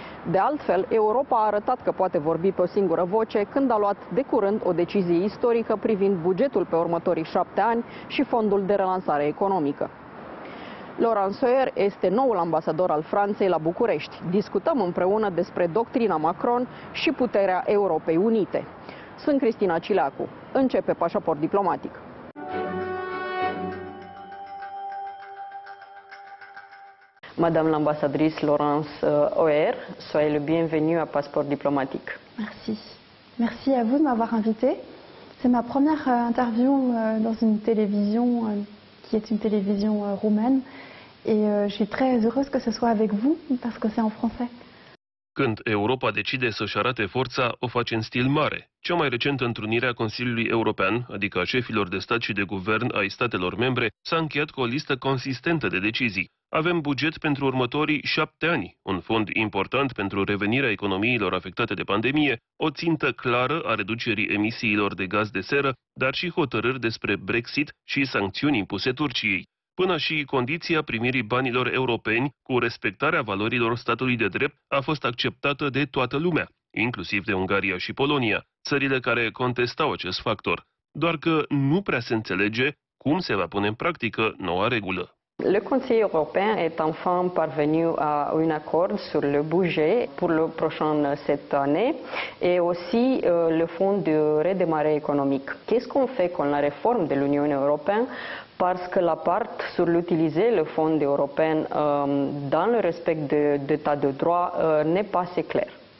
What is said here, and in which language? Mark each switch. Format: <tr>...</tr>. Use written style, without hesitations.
<ro>De altfel, Europa a arătat că poate vorbi pe o singură voce când a luat de curând o decizie istorică privind bugetul pe următorii 7 ani și fondul de relansare economică. Laurent Soyer este noul ambasador al Franței la București. Discutăm împreună despre doctrina Macron și puterea Europei Unite. Sunt Cristina Cileacu. Începe Pașaport Diplomatic.</ro> <fr>Madame l'ambassadrice Laurence Soyer, soyez le bienvenu à Passeport Diplomatique. Merci. Merci à vous de m'avoir invité. C'est ma première interview dans une télévision qui est une télévision roumaine. Et je suis très heureuse que ce soit avec vous, parce que c'est en français.</fr> <ro>Când Europa decide să-și arate forța, o face în stil mare. Cea mai recentă întrunire a Consiliului European, adică a șefilor de stat și de guvern ai statelor membre, s-a încheiat cu o listă consistentă de decizii. Avem buget pentru următorii 7 ani, un fond important pentru revenirea economiilor afectate de pandemie, o țintă clară a reducerii emisiilor de gaz de seră, dar și hotărâri despre Brexit și sancțiuni impuse Turciei. Până și condiția primirii banilor europeni cu respectarea valorilor statului de drept a fost acceptată de toată lumea, inclusiv de Ungaria și Polonia, țările care contestau acest factor. Doar că nu prea se înțelege cum se va pune în practică noua regulă.</ro> <fr>Le Conseil européen est enfin parvenu à un accord sur le budget pour le prochain cette année et aussi le fonds de redémarrage économique. Qu'est-ce qu'on fait avec la réforme de l'Union européenne? Parce que la part sur l'utiliser le fonds européen dans le respect de l'état de droit n'est pas assez claire.</fr>